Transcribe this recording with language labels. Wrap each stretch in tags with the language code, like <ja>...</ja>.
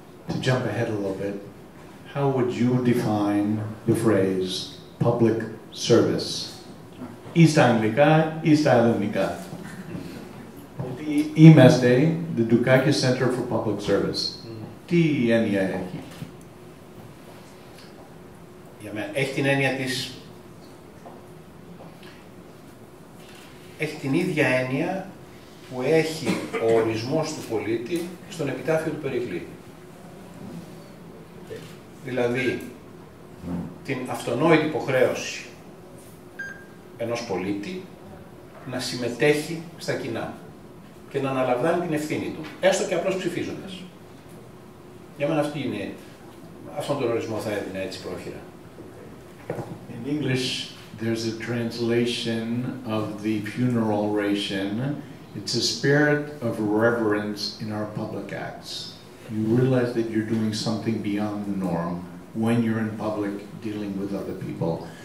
<en>to jump ahead a little bit, how would you define the phrase public service?</en> <el>Ista Anglika. Είμαστε</el> <en>the Dukakis Center for Public Service.</en> <el>Τι έννοια έχει? Για μένα έχει την έννοια της... Έχει την ίδια έννοια που έχει ο ορισμός του πολίτη στον επιτάφιο του Περικλή. Δηλαδή, την αυτονόητη υποχρέωση ενός πολίτη να συμμετέχει στα κοινά και να αναλαμβάνει την ευθύνη του, έστω και απλώς ψηφίζοντας. Για μένα αυτή είναι Αυτόν τον ορισμό θα έδινε έτσι πρόχειρα.</el> <en>In English, there's a translation of the funeral oration. It's a spirit of reverence in our public acts. You realize that you're doing something beyond the norm when you're in public dealing with other people.</en>